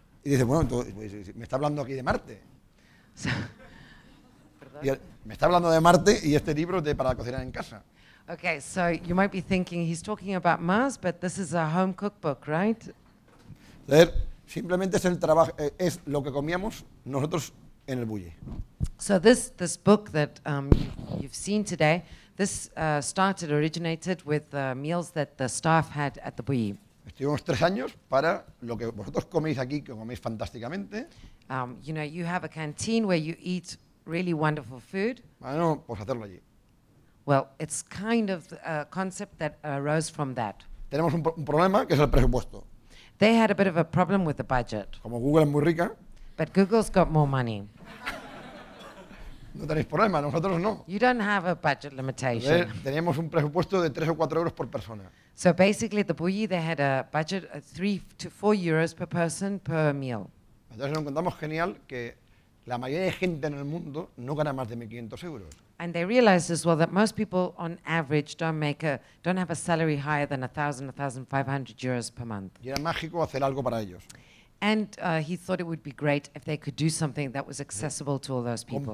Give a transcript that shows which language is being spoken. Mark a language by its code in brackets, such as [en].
[es] Y dice, bueno, entonces, me está hablando aquí de Marte. [en] So, [es] me está hablando de Marte y este libro de para cocinar en casa. [en] Okay, so you might be thinking he's talking about Mars, but this is a home cookbook, right? [es] Entonces, simplemente es el trabajo, es lo que comíamos nosotros en el Bulli. [en] So this book that you've seen today, this originated with the meals that the staff had at the Bulli. [es] Estuvimos 3 años para lo que vosotros coméis aquí, que coméis fantásticamente. [en] You know, you have a canteen where you eat really wonderful food. [es] Bueno, pues hacerlo allí. [en] Well, it's kind of a concept that arose from that. [es] Tenemos un problema, que es el presupuesto. [en] They had a bit of a problem with the budget. [es] Como Google es muy rica. [en] But Google's got more money. [es] No tenéis problema, nosotros no. [en] You don't have a budget limitation. [es] Entonces, tenemos un presupuesto de 3 o 4 euros por persona. [en] So basically, the Bulli, they had a budget of 3 to 4 euros per person per meal. [es] Entonces, nos encontramos genial que La mayoría de gente en el mundo no gana más de 1.500 euros. [en] And they realize as well that most people on average don't have a salary higher than 1,000-1,500 euros per month. [es] Y era mágico hacer algo para ellos. [en] And he thought it would be great if they could do something that was accessible to all those people.